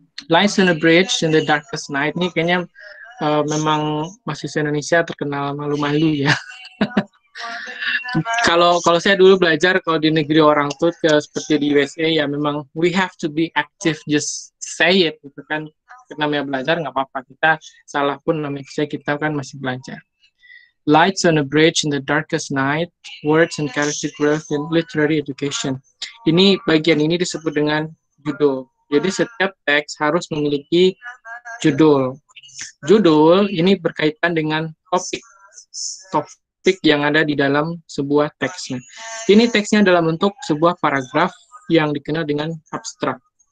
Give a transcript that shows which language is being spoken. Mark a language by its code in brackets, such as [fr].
[en] Lies in a bridge in the darkest night. [id] Ini kayaknya memang mahasiswa Indonesia terkenal malu-malu ya. kalau saya dulu belajar, kalau di negeri orang tuh seperti di USA ya, memang [en] we have to be active, just say it [id] gitu kan. Namanya belajar nggak apa-apa, kita salah pun namanya kita kan masih belajar. [en] Lights on a bridge in the darkest night, words and character growth in literary education. [id] Ini bagian ini disebut dengan judul. Jadi setiap teks harus memiliki judul. Judul ini berkaitan dengan topik yang ada di dalam sebuah teksnya. Ini teksnya dalam bentuk sebuah paragraf yang dikenal dengan abstrak.